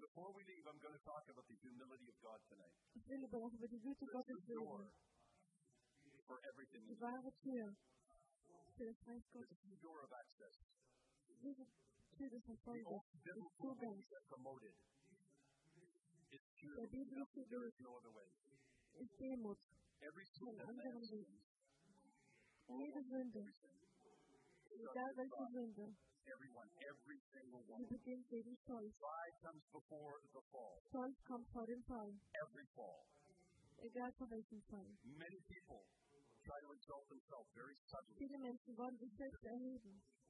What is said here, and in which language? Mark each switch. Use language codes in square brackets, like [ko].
[en] Before we leave, I'm going to talk about the humility of God tonight. [de] Ich will aber auch über die Güte Gottes reden. [en] This is the door for everything. [de] Die wahre Tür für das Reich Gottes. [en] This is the door of access. [de] Diese Tür des Erfolges. [en] The biblical way promoted is pure. [de] Der biblische Weg. [en] There is no other way. [de] Ist Demut. [en] Every single man. [de] Jede Sünde. Egal welche Sünde. [en] Everyone, every single one. Pride comes before the fall. [de] Stolz kommt vor dem Fall. [en] Every fall. [de] Egal vor welchem Fall. [en] Many people try to exalt themselves very subtly. [de] Viele Menschen wollen sich selbst erheben.